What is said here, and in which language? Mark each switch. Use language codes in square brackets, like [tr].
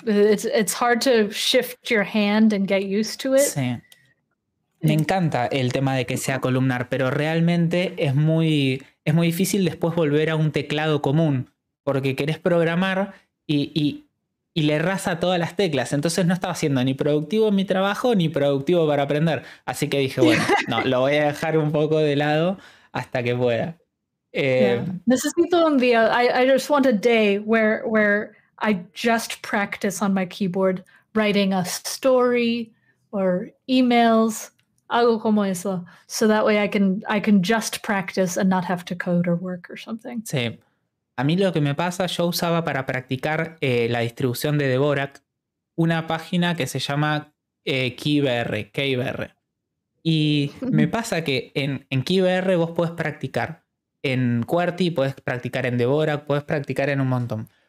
[en] It's hard to shift your hand and get used to it. [es] Sí. Me encanta el tema de que sea columnar, pero realmente es muy difícil después volver a un teclado común porque querés programar y le erras a todas las teclas. Entonces no estaba siendo ni productivo en mi trabajo ni productivo para aprender. Así que dije, bueno, no, lo voy a dejar un poco de lado hasta que pueda. Necesito un día. [en] I just want a day where I just practice on my keyboard writing a story or emails. [es] Algo como eso. [en] So that way I can just practice and not have to code or work or something. [es] Sí. A mí lo que me pasa, yo usaba para practicar la distribución de Dvorak una página que se llama KBR. Y me pasa que en KBR vos podés practicar en QWERTY, podés practicar en Dvorak, podés practicar en un montón.